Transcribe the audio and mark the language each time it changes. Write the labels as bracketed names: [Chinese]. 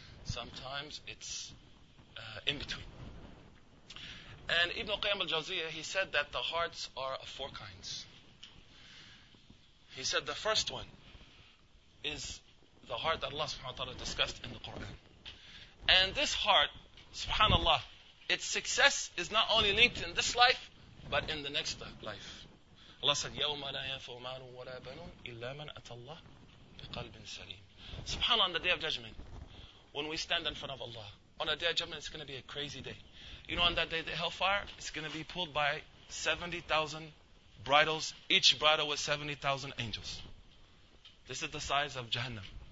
[English] Sometimes it's in between. And Ibn Qayyim al-Jawziyyah, he said that the hearts are of four kinds. He said the first one is the heart that Allah subhanahu wa ta'ala discussed in the Quran. And this heart, subhanallah, its success is not only linked in this life, but in the next life. Allah said, [Arabic] يَوْمَ لَا يَنْفَعُ مَالٌ وَلَا بَنُونَ إِلَّا مَنْ أَتَى اللَّهِ بِقَلْبٍ سَلِيمٍ. [English] SubhanAllah, on the Day of Judgment, when we stand in front of Allah, on the Day of Judgment, it's going to be a crazy day. You know, on that day, the hellfire is going to be pulled by 70,000 bridles, each bridle with 70,000 angels. This is the size of Jahannam.